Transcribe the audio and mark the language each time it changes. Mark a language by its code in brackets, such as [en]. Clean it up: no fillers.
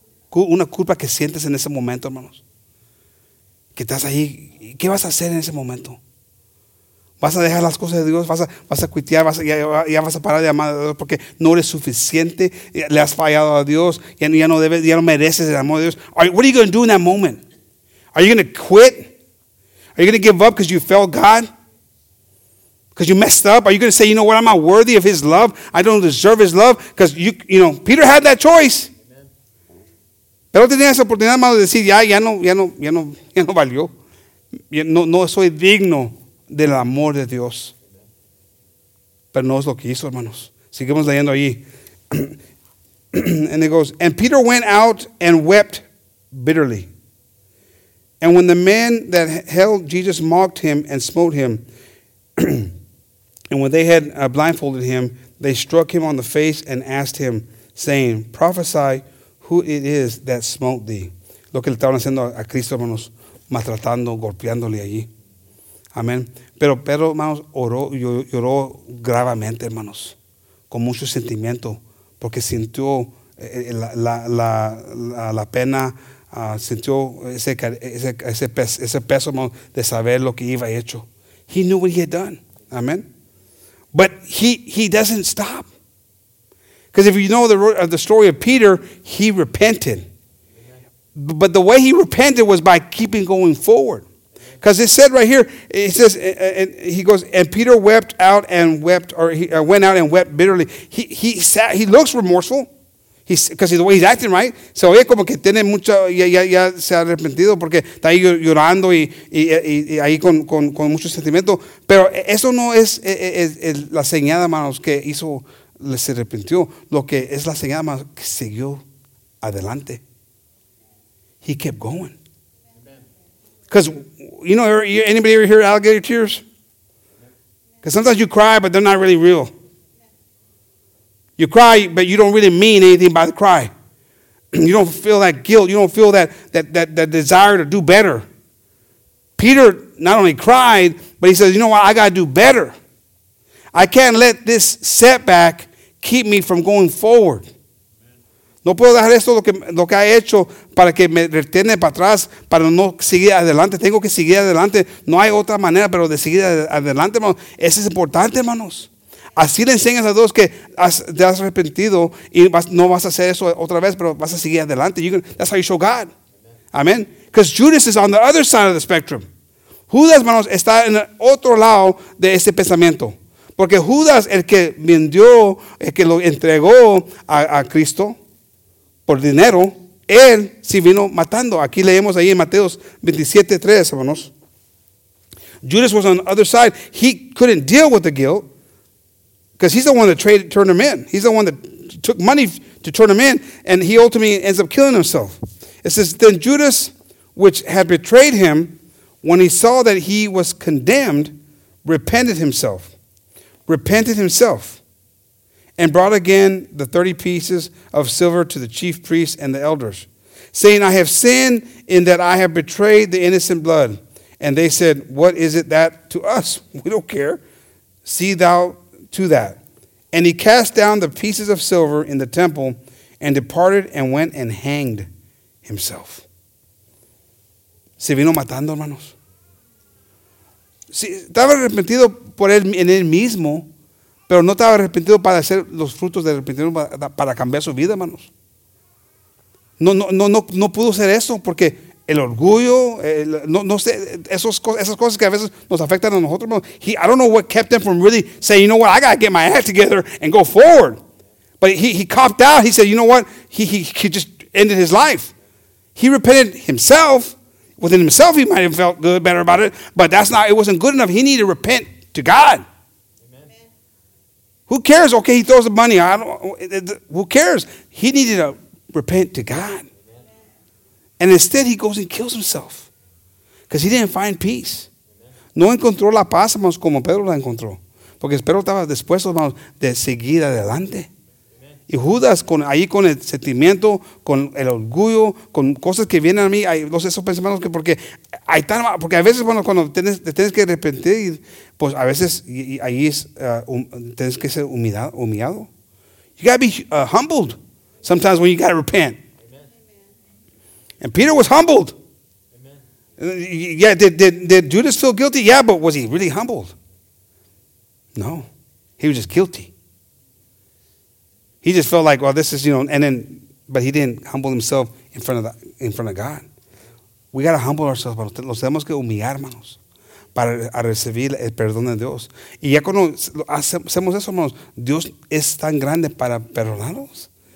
[es] Una culpa que sientes en ese momento, hermanos. Que estás ahí. ¿Qué vas a hacer en ese momento? ¿Vas a dejar las cosas de Dios? ¿Vas a cuitear? ¿Ya vas a parar de amar a Dios porque no eres suficiente? ¿Le has fallado a Dios? ¿Ya no mereces el amor de Dios? [en] What are you going to do in that moment? Are you going to quit? Are you going to give up because you failed God? Because you messed up? Are you going to say, you know what, I'm not worthy of his love? I don't deserve his love? Because, you know, Peter had that choice. Amen. [es] Pero tenía esa oportunidad, hermano, de decir, ya no valió. No soy digno del amor de Dios. Pero no es lo que hizo, hermanos. Sigamos leyendo allí. [en] And it goes, and Peter went out and wept bitterly. And when the men that held Jesus mocked him and smote him, and when they had blindfolded him, they struck him on the face and asked him, saying, prophesy who it is that smote thee. [es] Lo que le estaban haciendo a Cristo, hermanos, maltratando, golpeándole allí. Amén. Pero Pedro, hermanos, lloró gravemente, hermanos, con mucho sentimiento, porque sintió la pena, sintió ese peso, hermanos, de saber lo que iba hecho. [en] He knew what he had done. Amén. But he doesn't stop. Because if you know the story of Peter, he repented. But the way he repented was by keeping going forward. Because it said right here, it says, and he goes, and Peter wept out and wept, or he went out and wept bitterly. He looks remorseful. Because the way he's acting, right? [es] Se oye como que tiene mucho, ya se ha arrepentido porque está ahí llorando y ahí con mucho sentimiento. Pero eso no es la señal, hermanos, que hizo, se arrepintió. Lo que es la señal, hermanos, que siguió adelante. [en] He kept going. Because, you know, anybody ever hear alligator tears? Because sometimes you cry, but they're not really real. You cry, but you don't really mean anything by the cry. You don't feel that guilt. You don't feel that desire to do better. Peter not only cried, but he says, you know what? I got to do better. I can't let this setback keep me from going forward. [es] No puedo dejar esto lo que ha hecho para que me retene para atrás, para no seguir adelante. Tengo que seguir adelante. No hay otra manera pero de seguir adelante, hermanos. Eso es importante, hermanos. Así le enseñas a Dios que te has arrepentido y no vas a hacer eso otra vez, pero vas a seguir adelante. [en] That's how you show God. Amen. Because Judas is on the other side of the spectrum. [es] Judas, hermanos, está en el otro lado de ese pensamiento. Porque Judas, el que vendió, el que lo entregó a Cristo por dinero, él sí vino matando. Aquí leemos ahí en Mateo 27:3, hermanos. [en] Judas was on the other side. He couldn't deal with the guilt. Because he's the one that turned him in. He's the one that took money to turn him in. And he ultimately ends up killing himself. It says, then Judas, which had betrayed him, when he saw that he was condemned, repented himself, and brought again the 30 pieces of silver to the chief priests and the elders, saying, I have sinned in that I have betrayed the innocent blood. And they said, what is it that to us? We don't care. See thou to that. And he cast down the pieces of silver in the temple and departed and went and hanged himself. [es] Se vino matando, hermanos. Sí, estaba arrepentido por él en él mismo, pero no estaba arrepentido para hacer los frutos de arrepentimiento para cambiar su vida, hermanos. No pudo hacer eso porque el orgullo, esas cosas que a veces nos afectan a nosotros. [en] I don't know what kept him from really saying, you know what, I got to get my act together and go forward. But he copped out. He said, you know what, he just ended his life. He repented himself. Within himself, he might have felt good, better about it. But it wasn't good enough. He needed to repent to God. Amen. Who cares? Okay, he throws the money. Who cares? He needed to repent to God. And instead, he goes and kills himself because he didn't find peace. [es] No encontró la paz, hermanos, como Pedro la encontró. Porque Pedro estaba dispuesto, hermanos, de seguir adelante. Y Judas, ahí con el sentimiento, con el orgullo, con cosas que vienen a mí, no sé, esos pensamientos que porque hay tan, porque a veces, bueno, cuando tienes que arrepentir, pues a veces ahí es, tienes que ser humillado. [en] You got to be humbled sometimes when you got to repent. And Peter was humbled. Amen. Yeah, did Judas feel guilty? Yeah, but was he really humbled? No. He was just guilty. He just felt like, well, this is, you know, but he didn't humble himself in front of God. We got to humble ourselves, [es] pero nos tenemos que humillar, hermanos, para recibir el perdón de Dios. Y ya cuando hacemos eso, hermanos, Dios es tan grande para perdonarnos.